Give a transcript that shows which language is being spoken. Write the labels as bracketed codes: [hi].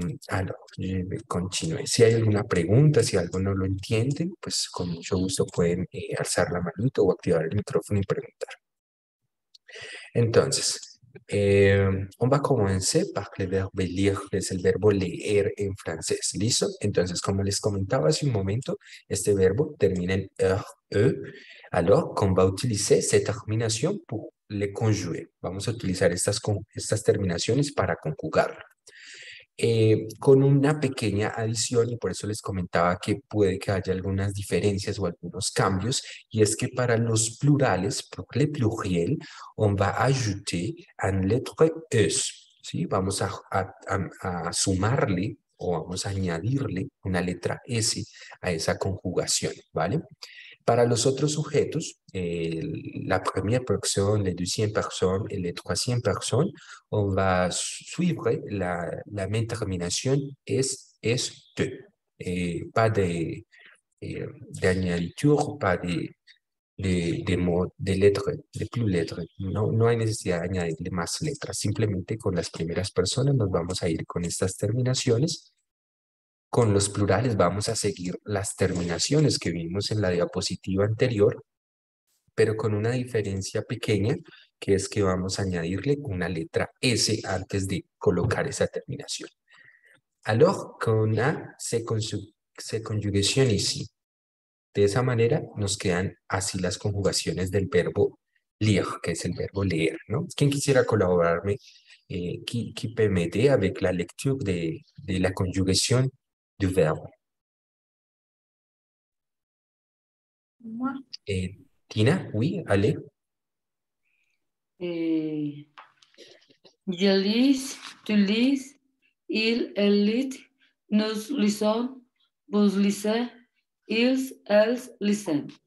[es] No, continúe. Si hay alguna pregunta, si algo no lo entienden, pues con mucho gusto pueden alzar la manito o activar el micrófono y preguntar. Entonces, [fr] on va commencer par le verbe lire, [es] es el verbo leer en francés. ¿Listo? Entonces, como les comentaba hace un momento, este verbo termina en er, e. [fr] Alors, qu'on va utiliser cette terminación pour le conjuguer. [es] Vamos a utilizar estas terminaciones para conjugarlo. Con una pequeña adición, y por eso les comentaba que puede que haya algunas diferencias o algunos cambios, y es que para los plurales, [fr] pour le pluriel, on va ajouter un letre S, [es] ¿sí? Vamos a sumarle o vamos a añadirle una letra S a esa conjugación, ¿vale? Para los otros sujetos, [fr] la première personne, la deuxième personne y la troisième personne, on va suivre la même terminación es-te. Pas de añaditura, pas de mot, de letra, de plus letra. [es] No, no hay necesidad de añadirle más letras. Simplemente con las primeras personas nos vamos a ir con estas terminaciones. Con los plurales vamos a seguir las terminaciones que vimos en la diapositiva anterior, pero con una diferencia pequeña, que es que vamos a añadirle una letra S antes de colocar esa terminación. [fr] Alors, con A se conjugación ici. [es] De esa manera nos quedan así las conjugaciones del verbo lire, que es el verbo leer, ¿no? ¿Quién quisiera colaborarme? [fr] ¿Qui peut m'aider avec la lecture de la conjugación? Du verbe. Moi. Tina, oui, allez. Je lis, tu lis, il, elle lit, nous lisons, vous lisez, ils, elles lisent.